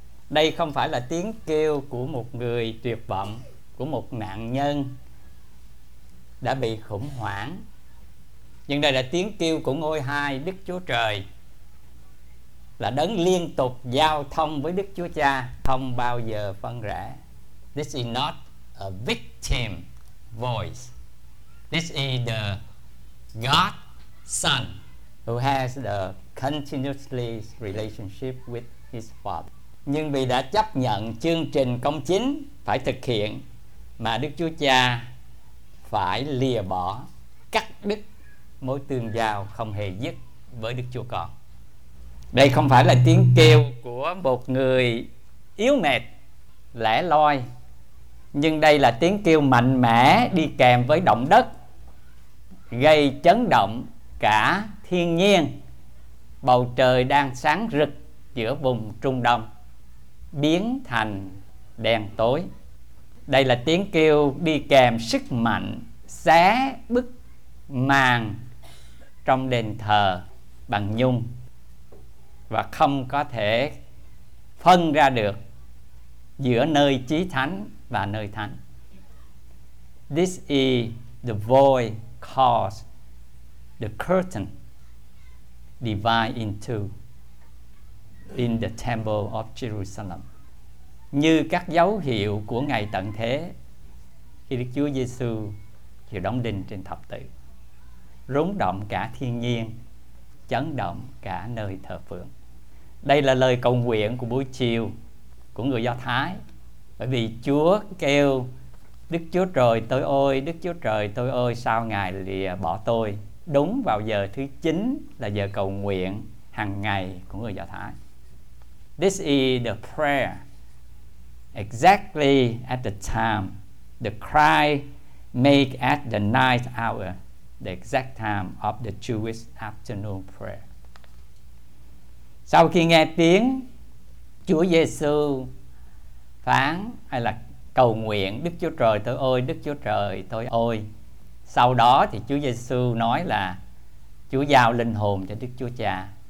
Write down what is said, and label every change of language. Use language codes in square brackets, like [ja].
[vi] Đây không phải là tiếng kêu của một người tuyệt vọng, của một nạn nhân đã bị khủng hoảng, nhưng đây là tiếng kêu của ngôi hai Đức Chúa Trời, là đấng liên tục giao thông với Đức Chúa Cha, không bao giờ phân rẽ. [en] This is not a victim voice. This is the God Son who has the continuously relationship with his Father. [vi] Nhưng vì đã chấp nhận chương trình công chính phải thực hiện mà Đức Chúa Cha phải lìa bỏ, cắt đứt mối tương giao không hề dứt với Đức Chúa Con. Đây không phải là tiếng kêu của một người yếu mệt, lẻ loi, nhưng đây là tiếng kêu mạnh mẽ đi kèm với động đất, gây chấn động cả thiên nhiên. Bầu trời đang sáng rực giữa vùng Trung Đông biến thành đen tối. Đây là tiếng kêu đi kèm sức mạnh xé bức màn trong đền thờ bằng nhung và không có thể phân ra được giữa nơi chí thánh và nơi thánh. [en] This is the void caused the curtain divide into in the temple of Jerusalem. [vi] Như các dấu hiệu của ngày tận thế khi Đức Chúa Giêsu chịu đóng đinh trên thập tự, rúng động cả thiên nhiên, chấn động cả nơi thờ phượng. Đây là lời cầu nguyện của buổi chiều của người Do Thái, bởi vì Chúa kêu: Đức Chúa Trời tôi ơi, Đức Chúa Trời tôi ơi, sao Ngài lìa bỏ tôi? Đúng vào giờ thứ 9 là giờ cầu nguyện hàng ngày của người Do Thái. [en] This is the prayer exactly at the time, the cry made at the ninth hour, the exact time of the Jewish afternoon prayer. [vi] Sau khi nghe tiếng Chúa Giêsu phán hay là cầu nguyện: Đức Chúa Trời tôi ơi, Đức Chúa Trời tôi ơi, sau đó thì Chúa Giêsu nói là Chúa giao linh hồn cho Đức Chúa Cha,